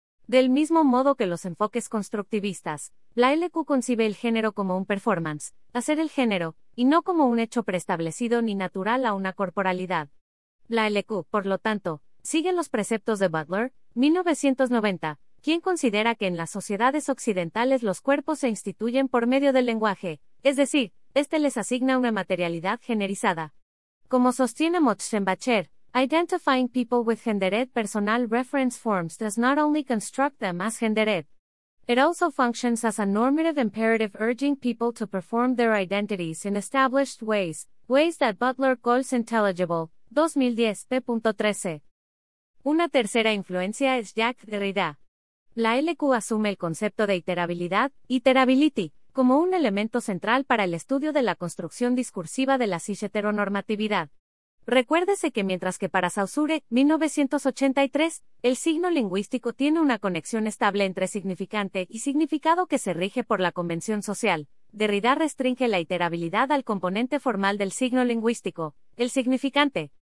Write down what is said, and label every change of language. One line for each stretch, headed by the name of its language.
Spanish: Del mismo modo que los enfoques constructivistas, la LQ concibe el género como un performance, hacer el género, y no como un hecho preestablecido ni natural a una corporalidad. La LQ, por lo tanto, sigue los preceptos de Butler, 1990, quien considera que en las sociedades occidentales los cuerpos se instituyen por medio del lenguaje, es decir, este les asigna una materialidad generizada. Como sostiene
English: Motschenbacher, identifying people with gendered personal reference forms does not only construct them as gendered. It also functions as a normative imperative urging people to perform their identities in established ways, ways that Butler calls intelligible, 2010, p.13.
Spanish: Una tercera influencia es Jacques Derrida. La LQ asume el concepto de iterabilidad, iterability, como un elemento central para el estudio de la construcción discursiva de la cis-heteronormatividad. Recuérdese que mientras que para Saussure, 1983, el signo lingüístico tiene una conexión estable entre significante y significado que se rige por la convención social, Derrida restringe la iterabilidad al componente formal del signo lingüístico, el significante.